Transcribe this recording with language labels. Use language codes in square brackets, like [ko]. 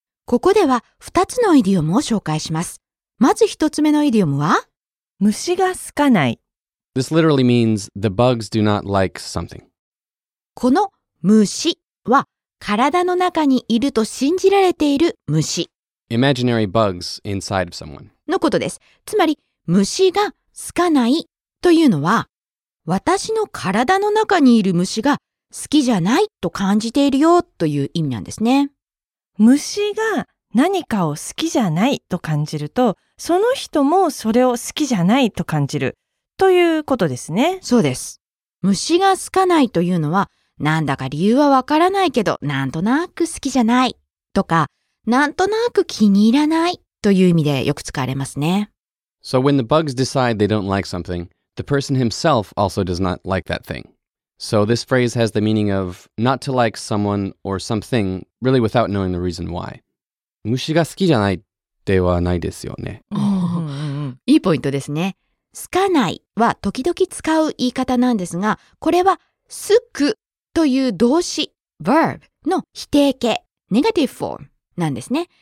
[ja] ここでは2つのイディオムを紹介します。まず1つ目のイディオムは、虫が好かない。 [en] This literally means the bugs do not like something. [ja] この虫は体の中にいると信じられている虫。 [en] Imaginary bugs inside of someone. [ja] のことです。つまり虫が好かないというのは、私の体の中にいる虫が好きじゃないと感じているよという意味なんですね。虫が何かを好きじゃないと感じると、その人もそれを好きじゃないと感じる。ということですね。そうです。虫が好かないというのは、なんだか理由はわからないけど、なんとなく好きじゃないとか、なんとなく気に入らないという意味でよく使われますね。 [en] So when the bugs decide they don't like something, the person himself also does not like that thing. So this phrase has the meaning of not to like someone or something really without knowing the reason why. [ja] 虫が好きじゃないではないですよね。いいポイントですね。好かないは時々使う言い方なんですが、これは好くという動詞 verb の否定形 negative form なんですね。